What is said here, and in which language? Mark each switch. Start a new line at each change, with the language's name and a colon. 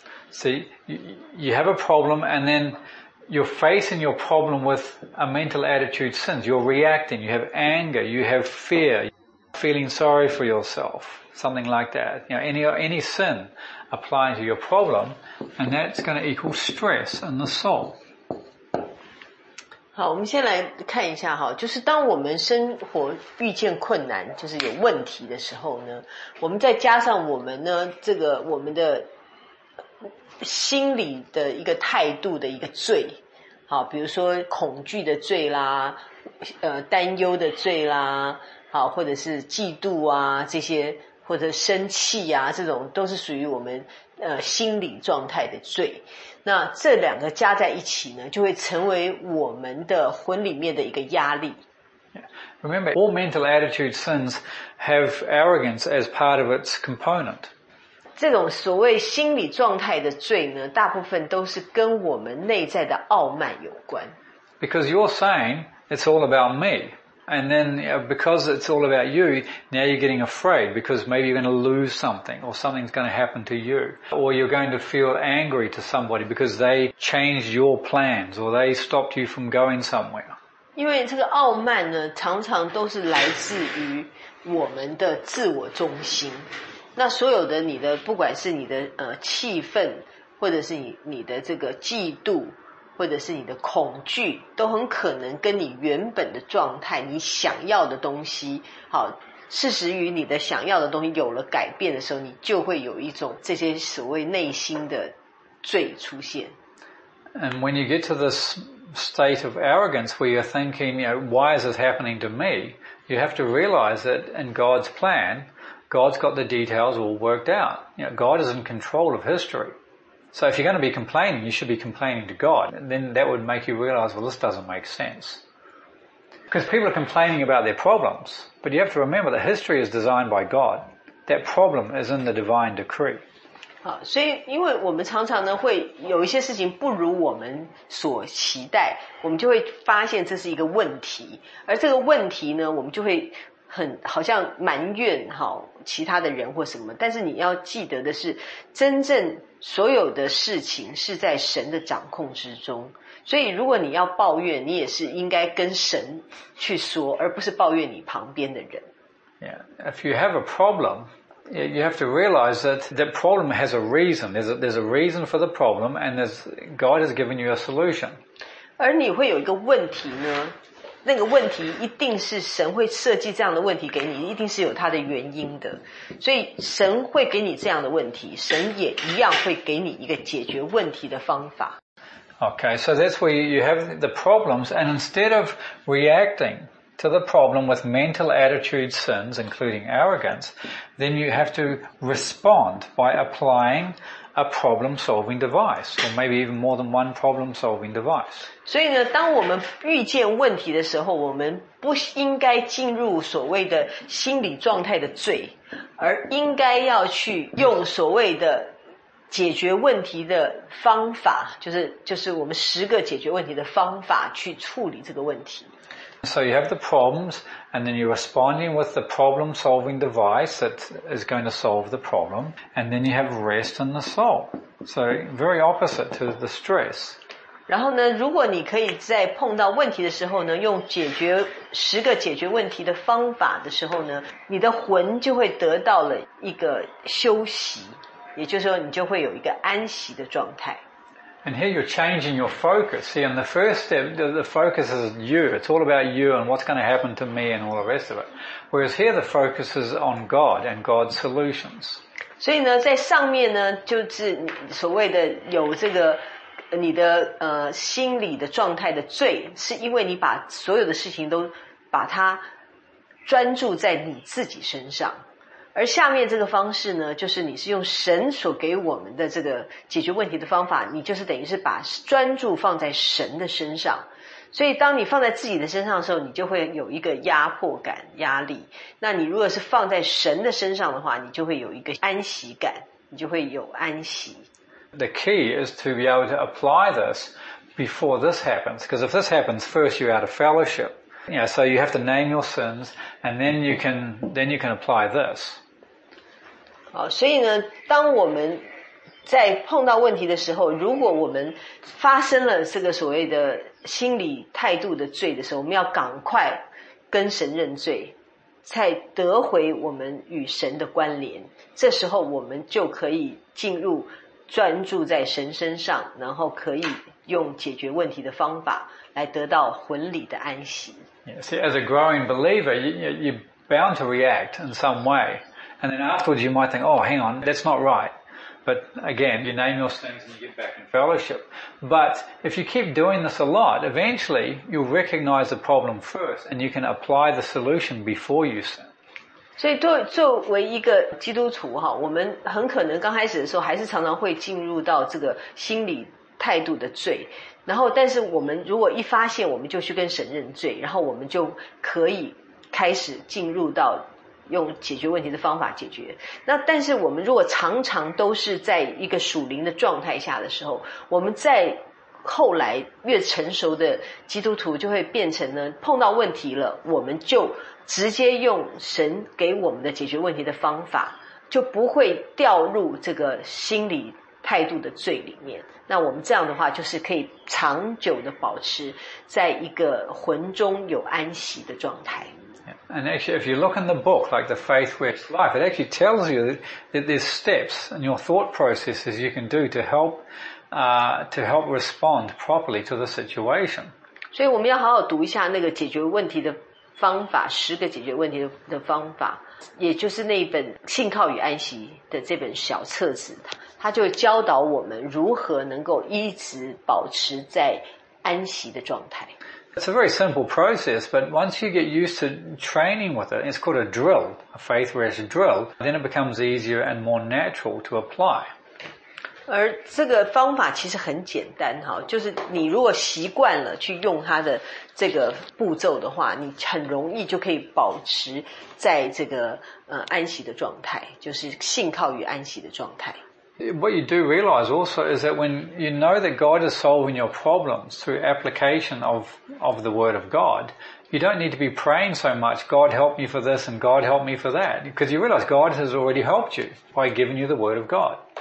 English: See, you have a problem and then you're facing your problem with a mental attitude sins. You're reacting. You have anger. You have fear. Feeling sorry for yourself. Something like that. You know, any sin applying to your problem and that's going to equal stress in the soul.
Chinese: 好，我们先来看一下哈，就是当我们生活遇见困难，就是有问题的时候呢，我们再加上我们呢，这个我们的心理的一个态度的一个罪，好，比如说恐惧的罪啦，担忧的罪啦，好，或者是嫉妒啊这些，或者生气啊这种，都是属于我们心理状态的罪。那这两个加在一起呢，就会成为我们的魂里面的一个压力。
English: Remember, all mental attitude sins have arrogance as part of its component.
Chinese: 这种所谓心理状态的罪呢，大部分都是跟我们内在的傲慢有关。
English: Because you're saying it's all about me, and then because it's all about you, now you're getting afraid because maybe you're going to lose something or something's going to happen to you. Or you're going to feel angry to somebody because they changed your plans or they stopped you from going somewhere.
Chinese: 因为这个傲慢呢，常常都是来自于我们的自我中心。那所有的你的，不管是你的气愤，或者是你的这个嫉妒，或者是你的恐惧，都很可能跟你原本的状态，你想要的东西，好，事实于你的想要的东西有了改变的时候，你就会有一种这些所谓内心的罪出现。
English: And when you get to this state of arrogance where you're thinking, you know, why is this happening to me? You have to realize that in God's plan, God's got the details all worked out. You know, God is in control of history. So if you're going to be complaining, you should be complaining to God. And then that would make you realize, well, this doesn't make sense. Because people are complaining about their problems. But you have to remember that history is designed by God. That problem is in the divine decree.
Chinese: 好，所以因为我们常常呢会有一些事情不如我们所期待，我们就会发现这是一个问题。而这个问题呢，我们就会很好像埋怨好其他的人或什么。但是你要记得的是，真正所有的事情是在神的掌控之中，所以如果你要抱怨，你也是应该跟神去说，而不是抱怨你旁边的人。
English: Yeah, if you have a problem, you have to realize that the problem has a reason. There's a reason for the problem, and God has given you a solution.
Chinese: 而你会有一个问题呢？那个问题一定是神会设计这样的问题给你，一定是有它的原因的。所以神会给你这样的问题，神也一样会给你一个解决问题的方法。
English: Okay, so that's where you have the problems, and instead of reacting to the problem with mental attitude sins, including arrogance, then you have to respond by applying a problem-solving device, or maybe even more than one problem-solving device.
Chinese: 所以呢，当我们遇见问题的时候，我们不应该进入所谓的心理状态的罪，而应该要去用所谓的解决问题的方法，就是我们十个解决问题的方法去处理这个问题。
English: So you have the problems, and then you're responding with the problem-solving device that is going to solve the problem, and then you have rest in the soul. So very opposite to the stress.
Chinese: 然后呢，如果你可以在碰到问题的时候呢，用解决十个解决问题的方法的时候呢，你的魂就会得到了一个休息，也就是说，你就会有一个安息的状态。
English: And here you're changing your focus. See, in the first step, the focus is you. It's all about you and what's going to happen to me and all the rest of it. Whereas here the focus is on God and God's solutions.
Chinese: 所以呢，在上面呢，就是所谓的有这个你的心理的状态的罪，是因为你把所有的事情都把它专注在你自己身上。而下面这个方式呢，就是你是用神所给我们的这个解决问题的方法，你就是等于是把专注放在神的身上。所以当你放在自己的身上的时候，你就会有一个压迫感、压力。那你如果是放在神的身上的话，你就会有一个安息感，你就会有安息。
English: The key is to be able to apply this before this happens. Because if this happens first, you're out of fellowship. Yeah, so you have to name your sins, and then you can apply this.
Chinese: 好，所以呢，当我们在碰到问题的时候，如果我们发生了这个所谓的心理态度的罪的时候，我们要赶快跟神认罪，才得回我们与神的关联。这时候我们就可以进入专注在神身上，然后可以用解决问题的方法来得到魂里的安息。
English: Yeah, see, as a growing believer, you're bound to react in some way. And then afterwards you might think, oh, hang on, that's not right. But again, you name your sins and you get back in fellowship. But if you keep doing this a lot, eventually you'll recognize the problem first and you can apply the solution before you sin.
Chinese: 所以作为一个基督徒，我们很可能刚开始的时候还是常常会进入到这个心理态度的罪，然后但是我们如果一发现，我们就去跟神认罪，然后我们就可以开始进入到用解决问题的方法解决。那但是我们如果常常都是在一个属灵的状态下的时候，我们在后来越成熟的基督徒就会变成呢，碰到问题了，我们就直接用神给我们的解决问题的方法，就不会掉入这个心理态度的罪里面。那我们这样的话，就是可以长久的保持在一个魂中有安息的状态。
English: And actually, if you look in the book, like The Faith Works Life, it actually tells you that there's steps in your thought processes you can do to help respond properly to the situation.
Chinese: 所以我们要好好读一下那个解决问题的方法，十个解决问题的方法，也就是那一本信靠与安息的这本小册子，它就教导我们如何能够一直保持在安息的状态。
English: It's a very simple process, but once you get used to training with it, it's called a drill, a faith rest drill, then it becomes easier and more natural to apply.
Chinese: 而这个方法其实很简单，就是你如果习惯了去用它的这个步骤的话，你很容易就可以保持在这个安息的状态，就是信靠与安息的状态。
English: What you do realize also is that when you know that God is solving your problems through application of the Word of God, you don't need to be praying so much, God help me for this and God help me for that, because you realize God has already helped you by giving you the Word of God.